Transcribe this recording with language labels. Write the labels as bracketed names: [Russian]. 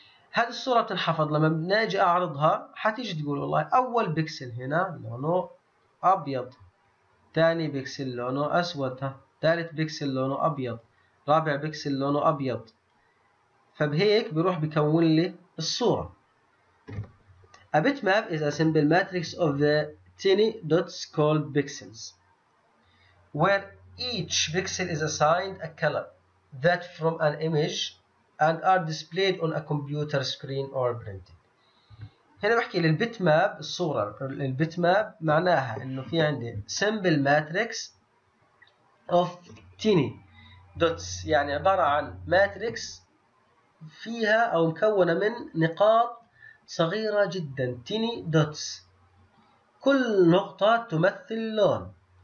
[Arabic] هذه الصوره بتنحفظ، لما بنجي اعرضها حتيجي تقول والله اول بكسل هنا لونه ابيض، ثاني بكسل لونه اسود، ثالث بكسل لونه ابيض، رابع بكسل لونه ابيض. فبهيك بروح بكون لي الصورة. [English] A bitmap is a simple matrix of the tiny dots called pixels, where each pixel is assigned a color that from an image and are displayed on a computer screen or printed. [Arabic] هنا بحكي للبيتماب، الصورة للبيتماب معناها انه في عندي [English] simple matrix of tiny dots، [Arabic] يعني عبارة عن ماتريكس فيها أو مكونة من نقاط صغيرة جدا، [English] tiny dots، [Arabic] كل نقطة تمثل لون.